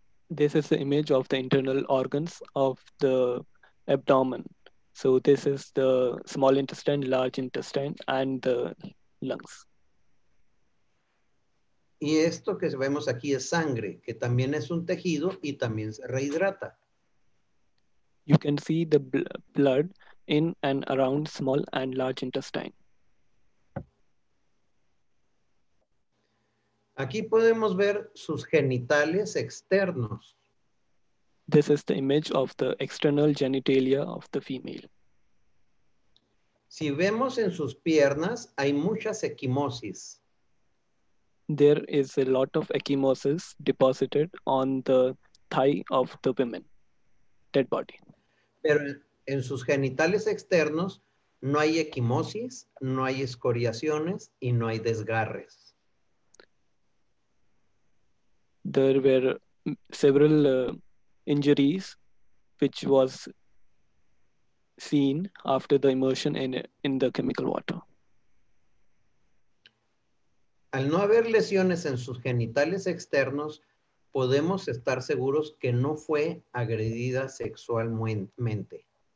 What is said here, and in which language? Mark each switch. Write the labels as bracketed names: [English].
[English] This is the image of the internal organs of the abdomen. So this is the small intestine, large intestine, and the lungs. [Spanish] Y esto que vemos aquí es sangre, que también es un tejido y también se rehidrata. [English] You can see the blood in and around small and large intestine. [Spanish] Aquí podemos ver sus genitales externos. [English] This is the image of the external genitalia of the female. [Spanish] Si vemos en sus piernas, hay muchas equimosis. [English] There is a lot of ecchymosis deposited on the thigh of the woman, dead body. [Spanish] Pero en sus genitales externos no hay ecchymosis, no hay escoriaciones y no hay desgarres. [English] There were several injuries which was seen after the immersion in the chemical water. [Spanish] Al no haber lesiones en sus genitales externos, podemos estar seguros que no fue agredida sexualmente.